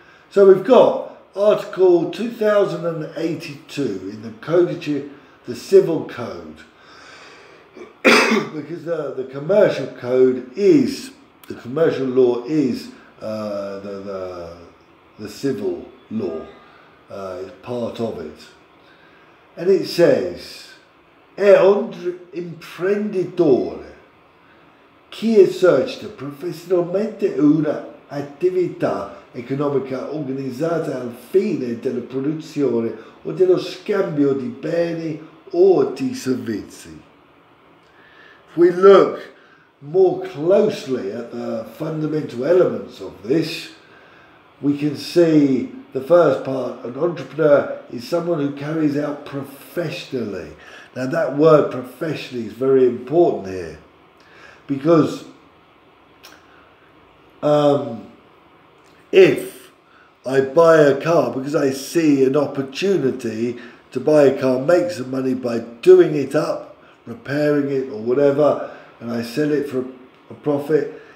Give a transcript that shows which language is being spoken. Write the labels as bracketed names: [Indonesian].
[English] So we've got Article 2082 in the Code of the Civil Code, because the commercial code is, the commercial law is the civil law, is part of it. [Italian] And it says, è un imprenditore chi esercita professionalmente una attività economica organizzata al fine della produzione o dello scambio di beni or di servizi. [English] If we look more closely at the fundamental elements of this, we can see the first part, an entrepreneur is someone who carries out professionally. Now that word professionally is very important here, because if I buy a car because I see an opportunity to buy a car, make some money by doing it up, repairing it or whatever, and I sell it for a profit.